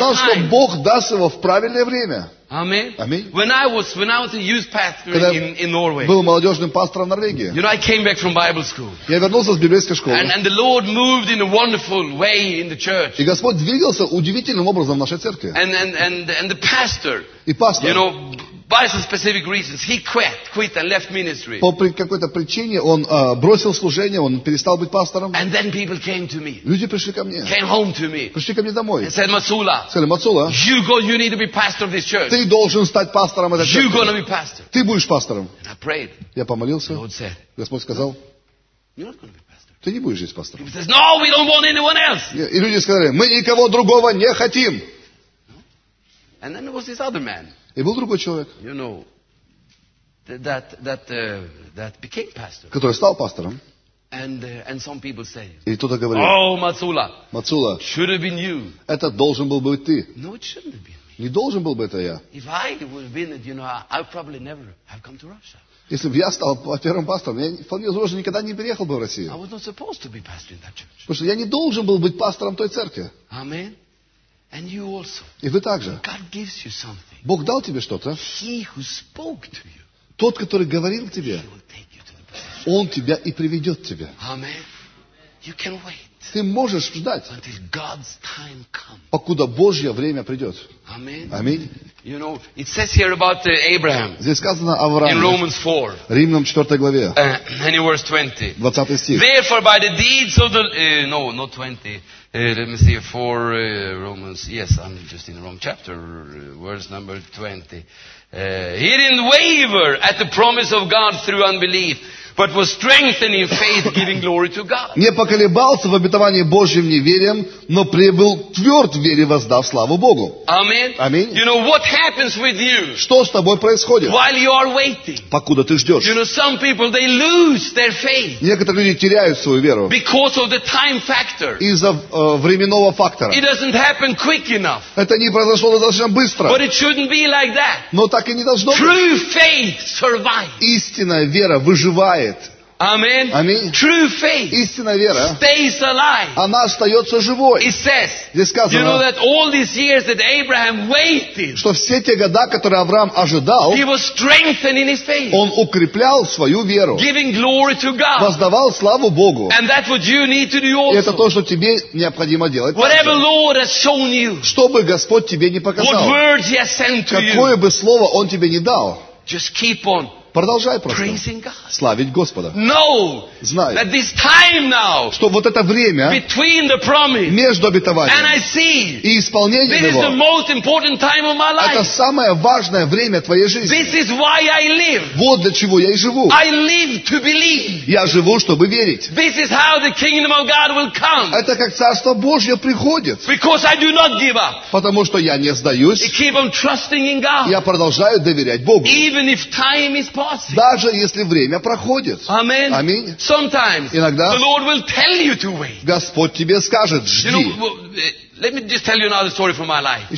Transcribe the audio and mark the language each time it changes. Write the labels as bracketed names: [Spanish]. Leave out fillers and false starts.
[Russian] Он знал, что Бог даст его в правильное время. Аминь. [English] When I was a youth pastor in Norway. [Russian] Был молодежным пастором в Норвегии. [English] You know, I came back from Bible school. [Russian] Я вернулся с библейской школы. [English] And the Lord moved in a wonderful way in the church. [Russian] И Господь двигался удивительным образом в нашей церкви. [English] And the pastor. [Russian] И пастор. [English] You know, by some specific reasons, he quit and left ministry. [Russian] По какой-то причине он бросил служение, он перестал быть пастором. [English] And then people came to me. [Russian] Люди пришли ко мне. [English] Came home to me. [Russian] Пришли ко мне домой. [English] And said, Мацула. [Russian] Сказали, Мацула. [English] You go. You need to be pastor of this church. [Russian] Ты должен стать пастором этой церкви. [English] You gonna be pastor. [Russian] Ты будешь пастором. [English] And I prayed. [Russian] Я помолился. [English] The Lord said. [Russian] Господь сказал. [English] You're not gonna be pastor. [Russian] Ты не будешь здесь пастором. [English] He says, No, we don't want anyone else. [Russian] И люди сказали, мы никого другого не хотим. [English] And then there was this other man. [Russian] И был другой человек, [English] you know, that became pastor. [Russian] Который стал пастором. [English] And some people say, [Russian] и кто-то говорит, [English] oh, Мацула, [Russian] Мацула, [English] should have been you. [Russian] Это должен был быть ты. [English] No, it shouldn't have been me. [Russian] Не должен был бы это я. [English] If I would have been it, you know, I probably never have come to Russia. [Russian] Если бы я стал первым пастором, я вполне возможно никогда не переехал бы в Россию. [English] I was not supposed to be pastor in that church. [Russian] Потому что я не должен был быть пастором той церкви. Аминь. [English] And you also. [Russian] И вы также. [English] God gives you something. [Russian] Бог дал тебе что-то. [English] He who spoke to you. [Russian] Тот, который говорил тебе. [English] He will take you to the position. [Russian] Он тебя и приведет тебя. [English] Amen. You can wait. [Russian] Ты можешь ждать. [English] Until God's time comes. [Russian] Покуда Божье время придет. [English] Amen. [Russian] Аминь. [English] You know, it says here about Abraham. [Russian] Здесь сказано о Аврааме. [English] In Romans 4. [Russian] Римлянам 4 главе. [English] And in verse 20. [Russian] 20 стих. [English] Therefore, by the deeds of the no, not 20. Let me see, for Romans, yes, I'm just in the wrong chapter, verse number 20. He didn't waver at the promise of God through unbelief, but was strengthened in faith, giving glory to God. [Russian] Не поколебался в обетовании Божьем неверием, но прибыл тверд в вере, воздав славу Богу. Аминь. [English] You know, what happens with you? [Russian] Что с тобой происходит? [English] While you are waiting. [Russian] Покуда ты ждешь. [English] You know, some people, they lose their faith. [Russian] Некоторые люди теряют свою веру. [English] Because of the time factor. [Russian] Из-за временного фактора. [English] It doesn't happen quick enough. [Russian] Это не произошло достаточно быстро. [English] But it shouldn't be like that. [Russian] Но так и не должно быть. [English] True faith survives. [Russian] Истинная вера выживает. Аминь. Аминь. [English] True faith. [Russian] Истинная вера. [English] Stays alive. [Russian] Она остается живой. [English] It says. [Russian] Здесь сказано. [English] You know that all these years that Abraham waited. [Russian] Что все те года, которые Авраам ожидал. [English] He was strengthened in his faith. [Russian] Он укреплял свою веру. [English] Giving glory to God. [Russian] Воздавал славу Богу. [English] And that's what you need to do also. [Russian] И это то, что тебе необходимо делать. [English] Whatever Lord has shown you. [Russian] Что бы Господь тебе не показал. [English] What words He has sent to you. [Russian] Какое бы слово Он тебе не дал. [English] Just keep on. [Russian] Продолжай просто славить Господа. Знай, [English] that this time now, [Russian] что вот это время [English] between the promise, [Russian] между обетованием и исполнением [English] this [Russian] его [English] is the most important time of my life. [Russian] Это самое важное время твоей жизни. [English] This is why I live. [Russian] Вот для чего я и живу. [English] I live to believe. [Russian] Я живу, чтобы верить. [English] This is how the kingdom of God will come. [Russian] Это как Царство Божье приходит. [English] Because I do not give up. [Russian] Потому что я не сдаюсь. [English] I keep on trusting in God. [Russian] Я продолжаю доверять Богу. [English] Even if time is [Russian] даже если время проходит. [English] Amen. [Russian] Аминь. [English] Sometimes, [Russian] иногда [English] the Lord will tell you to wait. [Russian] Господь тебе скажет, жди. [English] You know, let me just tell you another story from my life.